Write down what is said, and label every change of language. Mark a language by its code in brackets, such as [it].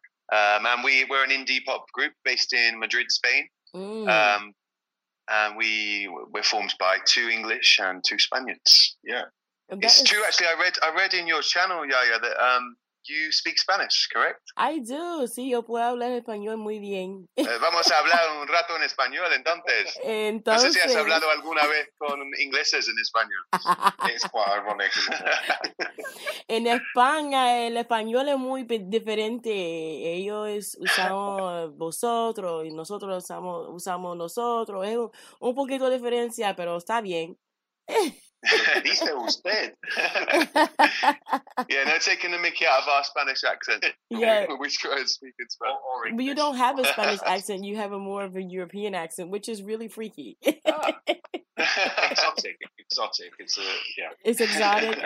[en] And we're an indie pop group based in Madrid, Spain. Mm. And we're formed by two English and two Spaniards. Yeah. It's true, actually. I read in your channel, Yaya, that you speak Spanish, correct? I do. [es] Sí, yo puedo hablar español muy bien. Vamos a hablar un rato en español, entonces. Entonces. No sé si has hablado alguna vez con ingleses en español. Es [en] quite ironic. [es] En España, el español es muy diferente. Ellos usamos vosotros y nosotros usamos nosotros. Es un poquito de diferencia, pero está bien. Dice usted. [en] Yeah, no taking the mickey out of our Spanish accent. Yeah. We try and speak in Spanish. Or English. But you don't have a Spanish accent, you have a more of a European accent, which is really freaky. Exotic. It's exotic.